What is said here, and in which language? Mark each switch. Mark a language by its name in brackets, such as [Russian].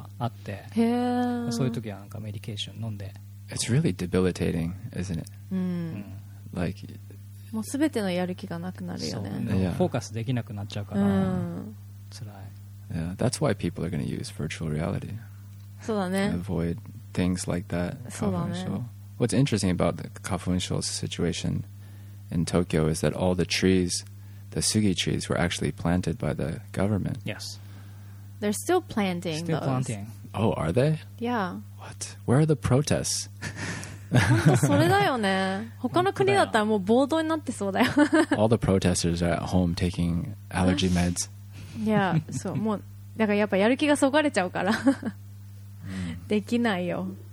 [Japanese] 何の花粉かわかんないけど、3月とか4月とかに本当1日2日だけすごいこれ来るなっていう日はあって、そういう時はなんかメディケーション飲んで。 [English] It's really debilitating, isn't it? Like, [Japanese] もう全てのやる気がなくなるよね。フォーカスできなくなっちゃうから辛い。 [English] That's why people are going to use virtual reality. [Japanese] そうだね。 [English] Avoid things like that. [Japanese] そうだね。 [English] What's interesting about the kafunsho situation in Tokyo is that all the trees, the sugi trees, were actually planted by the government. Yes. They're still planting those. Still planting. Oh, are they? Yeah. What? Where are the protests? [Japanese] 本当それだよね。他の国だったらもう暴動になってそうだよ。 [English] All the protesters are at home taking allergy meds. [Japanese] Yeah, so, もうだからやっぱやる気がそがれちゃうから。できないよ。